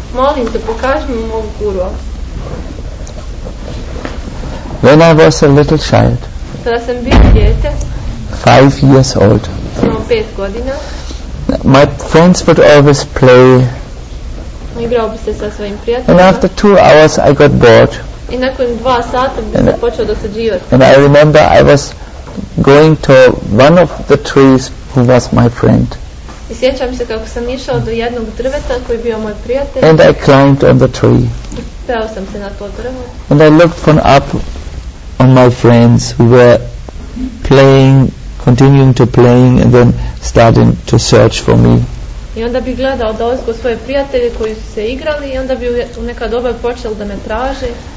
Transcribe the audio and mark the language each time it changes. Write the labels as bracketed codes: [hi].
[bs] Molim te, pokaži mi mog guru. [en] When I was a little child, [bs] kada sam bio djete, [en] 5 years old, [bs] samo 5 godina, [en] my friends would always play. [bs] Igrao bi se sa svojim prijateljima. [en] And after 2 hours I got bored. [bs] I nakon 2 sata bi se počeo dosađivati. [en] And I remember I was going to one of the trees who was my friend. [bs] I sjećam se kako sam išao do jednog drveta koji bio moj prijatelj. [en] And I climbed on the tree. [bs] Peo sam se na to drvo. [en] And I looked from up on my friends who were playing, continuing to playing, and then starting to search for me. [bs] I onda bi gledao da osko svoje prijatelje koji su se igrali i onda bi u neka doba počeo da me traži.